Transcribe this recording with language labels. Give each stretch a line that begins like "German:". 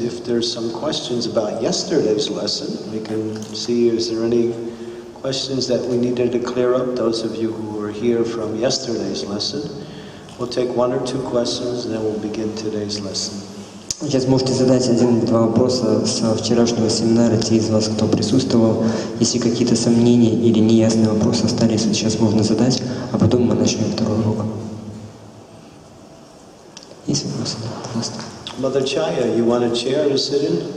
English: If there's some questions about yesterday's lesson, we can see is there any questions that we needed to clear up, those of you who were here from yesterday's lesson. We'll take one or two questions, and then we'll begin today's lesson.
Russian: Сейчас можете задать один-два вопроса со вчерашнего семинара, те из вас, кто присутствовал. Если какие-то сомнения или неясные вопросы остались, сейчас можно задать, а потом мы начнем второй урок. Есть вопросы? Пожалуйста.
English: Mother Chaya, you want a chair to sit in?